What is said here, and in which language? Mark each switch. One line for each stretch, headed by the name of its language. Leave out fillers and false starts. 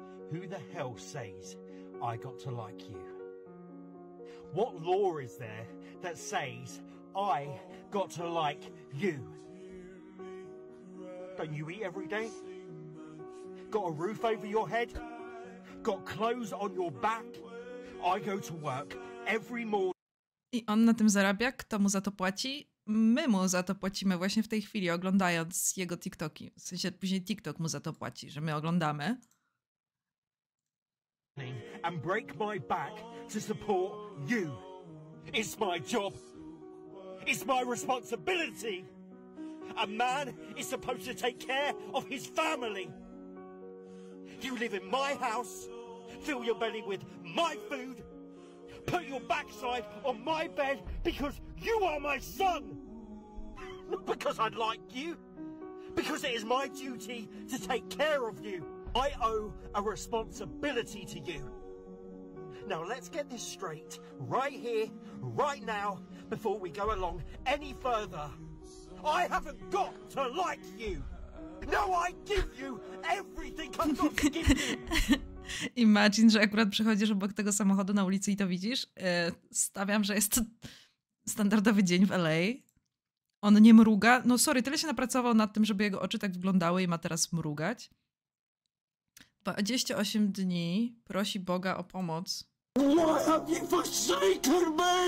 English: Who the hell says I got to like you? What law is there that says I got to like you? Don't you eat every day? Got a roof over your head? Got clothes on your back? I go to work every morning.
Polish: I on na tym zarabia? Kto mu za to płaci? My mu za to płacimy właśnie w tej chwili, oglądając jego TikToki. W sensie później TikTok mu za to płaci, że my oglądamy.
English: And break my back to support you. It's my job. It's my responsibility. A man is supposed to take care of his family. You live in my house. Fill your belly with my food. Put your backside on my bed because you are my son. Not because I'd like you. Because it is my duty to take care of you. I owe a responsibility to you. Now let's get this straight right here, right now, before we go along any further. I haven't got to like you. No, I give you everything I've got to give you.
Polish: Imagine, że akurat przechodzisz obok tego samochodu na ulicy i to widzisz. Stawiam, że jest to standardowy dzień w LA. On nie mruga. No sorry, tyle się napracował nad tym, żeby jego oczy tak wyglądały i ma teraz mrugać. 28 dni prosi Boga o pomoc.
English: Why have you forsaken me?